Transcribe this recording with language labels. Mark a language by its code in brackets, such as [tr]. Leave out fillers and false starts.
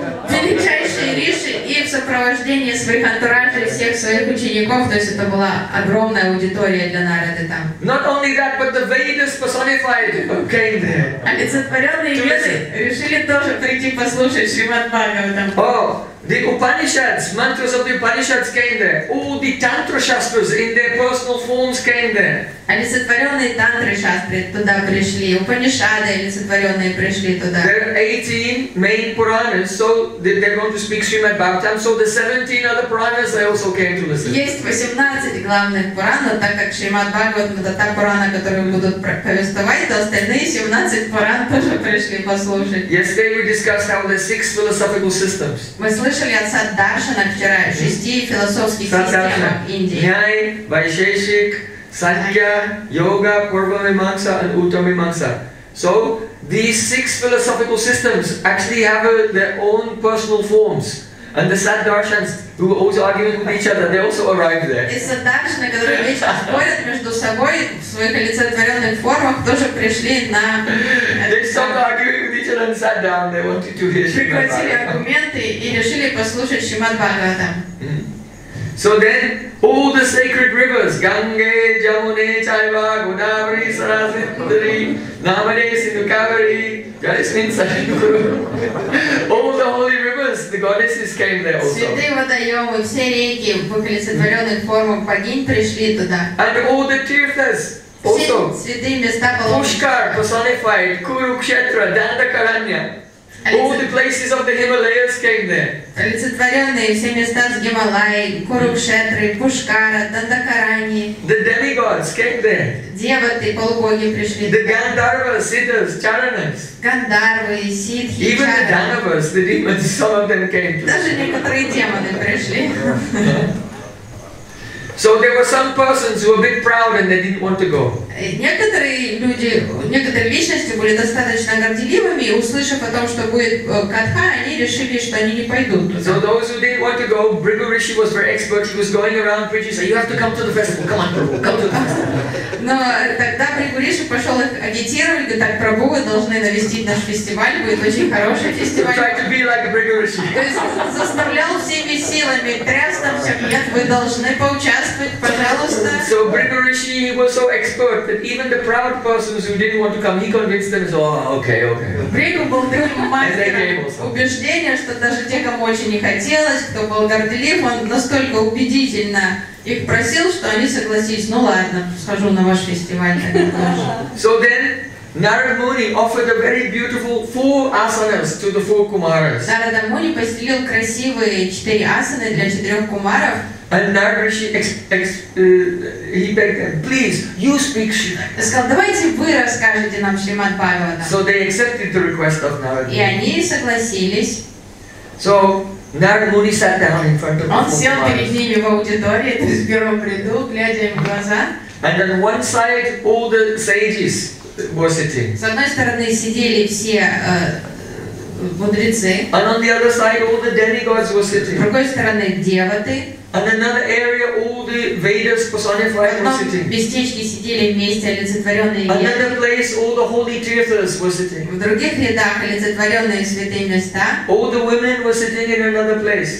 [ru] Величайшие риши и в сопровождении своих антуражей, всех своих учеников, то есть это была огромная аудитория для Нарады там. [en] Not only that, but the Vedas personified came there. [ru] Олицетворенные Веды решили тоже прийти послушать Шримад Бхагаватам. [en] The Upanishads, mantras of the Upanishads came there. All the Tantra Shastras in their personal forms came there. [ru] Олицетворенные Тантры Шастры туда пришли, Упанишады олицетворенные пришли туда. [en] There are 18 main Puranas, so they're going to speak Srimad Bhagavatam, so the 17 other Puranas they also came to listen. [ru] Есть 18 главных Пурана, так как Шримад Бхагаватам это та Пурана, которую будут повествовать, то остальные 17 Пуран тоже пришли послушать. [en] Yesterday we discussed how the 6 philosophical systems. [ru] Слышали от Саддаршана вчера шести философских систем Индии. Ньяй, Вайшешик, Санкья, Йога, Пурва Мимамса и Утта Мимамса. [en] So these six philosophical systems actually have their own personal forms. And the Saddarshans, who were always arguing with each other, they also arrived there. [ru] И Саддаршаны, которые вечно спорят между собой в своих олицетворенных формах, тоже пришли на... [en] They stopped arguing with each other and sat down. They wanted to hear Shrimad Bhagavatam. [ru] Прекратили аргументы и решили послушать Шримад Бхагаватам. [en] So then, all the sacred rivers, Ganga, Jamuna, Chaiva, Godavari, Sarasvati, Namane, Sindhu, Kaveri, Jalisvin, Sahindru, all the holy rivers, the goddesses came there also. [ru] Святые водоемы, все реки в олицетворенных формах богинь пришли туда. [en] And all the tirthas also. [ru] Святые места положены. Пушкар personified, Курукшетра, Дандакаранья. [en] All the places of the Himalayas came there. [ru] Олицетворенные все места с Гималаи, Курукшетры, Пушкара, Дандакарани. [en] The demigods came there. [ru] Деваты, полубоги пришли. [en] The Гандарвы, Сиддхи, Чаранас. [ru] Гандарвы, Сиддхи, [en] Чаранас. Even the Данавас, the demons, some of them came. [ru] Даже некоторые демоны пришли. [en] So there were some persons who were a bit proud and they didn't want to go. [ru] Некоторые люди, некоторые личности были достаточно горделивыми, услышав о том, что будет катха, они решили, что они не пойдут. [en] So those who didn't want to go, Bhrigu Rishi was very expert. He was going around preaching, saying, "You have to come to the festival. Come on, Prabhu, come to the festival." [ru] Но тогда Бригу Риши пошел их агитировать, говорит, так, Прабу, вы должны навестить наш фестиваль, будет очень хороший фестиваль. [en] Try to be like Бригу Риши. [ru] То есть заставлял всеми силами, тряс там всех, нет, вы должны поучаствовать, пожалуйста. [en] So Бригу Риши was so expert that even the proud persons who didn't want to come, he convinced them, so, okay. [ru] Бригу был таким мастером убеждения, что даже те, кому очень не хотелось, кто был горделив, он настолько убедительно их просил, что они согласились, ну ладно, схожу на ваш фестиваль, тогда тоже. [en] So then, Narada Muni offered a very beautiful four asanas to the four Kumaras. [ru] Narada Muni постелил красивые четыре асаны для четырех Кумаров. [en] And Narada Rishi he begged them, please, you speak Shrimad. [ru] Сказал, давайте вы расскажете нам Шримад Бхагаватам. [en] So they accepted the request of Narada Muni. [ru] И они согласились. [en] So, Narada Muni sat down in front of the four brothers. [ru] Он сел перед ними в аудитории, то есть в первом ряду, глядя им в глаза. [en] And on one side, all the sages were sitting. [ru] С одной стороны сидели все мудрецы. [en] And on the other side, all the demigods were sitting. [ru] С другой стороны деваты. [en] And another area, all the Vedas personified were sitting. [ru] В местечке сидели вместе олицетворенные веды. [en] Another place, all the holy tirthas were sitting. [ru] В других рядах олицетворенные святые места. [en] All the women were sitting in another place.